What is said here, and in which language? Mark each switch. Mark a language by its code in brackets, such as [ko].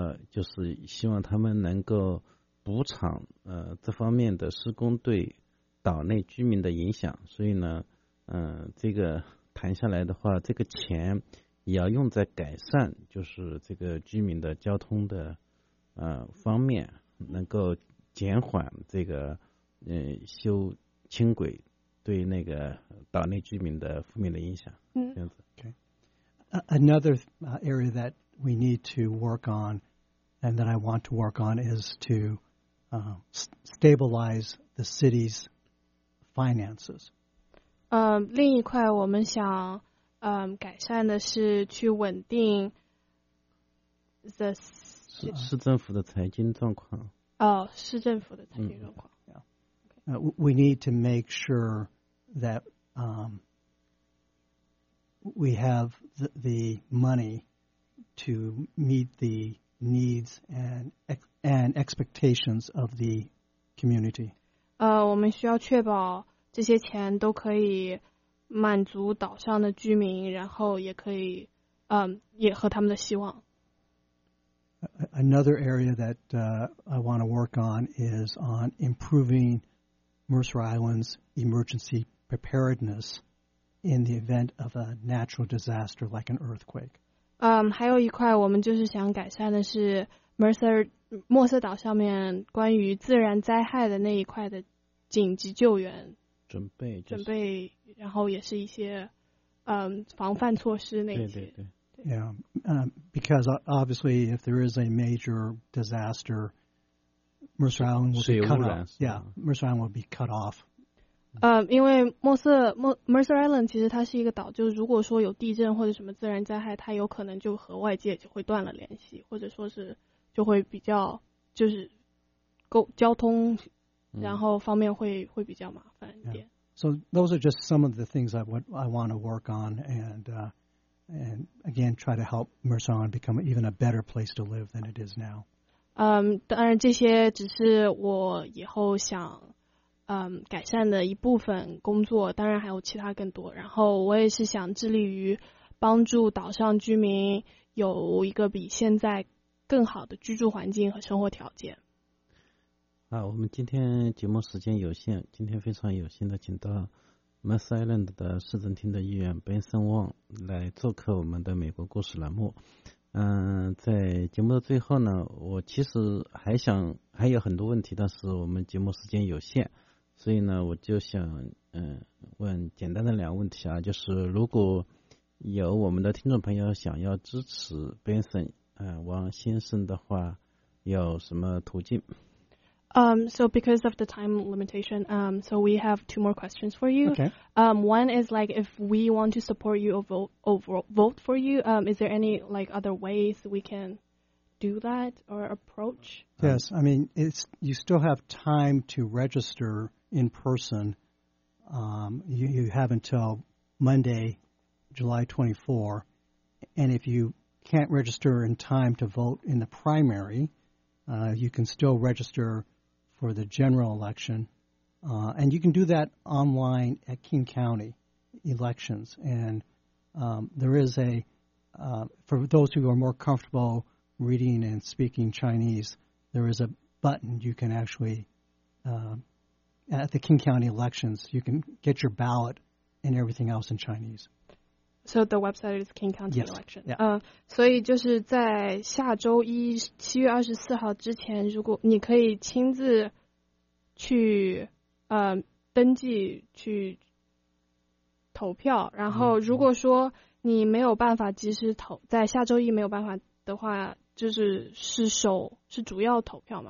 [zh] 就是希望他们能够补偿这方面的施工对岛内居民的影响，所以呢，这个谈下来的话，这个钱也要用在改善就是这个居民的交通的方面，能够减缓这个修轻轨对那个岛内居民的负面的影响，这样子。 [en] Another area that we need to work on and that I want to work on is to stabilize the city's finances. [zh] 另一块我们想改善的是去稳定市政府的财经状况。市政府的财经状况。 We need to make sure that we have the money to meet the needs and expectations of the community. 我们需要确保这些钱都可以满足岛上的居民，然后也可以也和他们的希望。 Another area that I want to work on is on improving Mercer Island's emergency preparedness in the event of a natural disaster like an earthquake. 还有一块我们就是想改善的是莫瑟岛上面关于自然灾害的那一块的紧急救援。准备、就是、准备，然后也是一些防范措施那些。对对对。对 [en] yeah, because obviously if there is a major disaster, Mercer Island will be cut off. Yeah, Mercer Island will be cut off. [zh] 因为Mercer Island 其实它是一个岛，就是如果说有地震或者什么自然灾害，它有可能就和外界就会断了联系，或者说是就会比较就是交通然后方面会比较麻烦一点。 [en] Yeah. So those are just some of the things I want to work on and again try to help Mercer Island become even a better place to live than it is now. [zh] 当然这些只是我以后想改善的一部分工作，当然还有其他更多。然后我也是想致力于帮助岛上居民有一个比现在更好的居住环境和生活条件。啊，我们今天节目时间有限，今天非常有幸的请到 Mercer Island 的市政厅的议员 Benson Wong 来做客我们的美国故事栏目。在节目的最后呢，我其实还有很多问题，但是我们节目时间有限，所以呢，我就想问简单的两个问题啊，就是如果有我们的听众朋友想要支持 Benson 王先生的话，有什么途径？ [en] So because of the time limitation, so we have two more questions for you. Okay. One is like if we want to support you or vote for you, is there any like other ways we can do that or approach? Yes, I mean, you still have time to register in person. You have until Monday, July 24. And if you can't register in time to vote in the primary, you can still registerfor the general election, and you can do that online at King County elections. And there is a, for those who are more comfortable reading and speaking Chinese, there is a button you can actually, at the King County elections, you can get your ballot and everything else in Chinese. So the website is King County yes, election. Yeah. [zh] 所以就是在下周一七月二十四号之前，如果你可以亲自去登记去投票，然后如果说你没有办法及时投，在下周一没有办法的话，就是是主要投票嘛？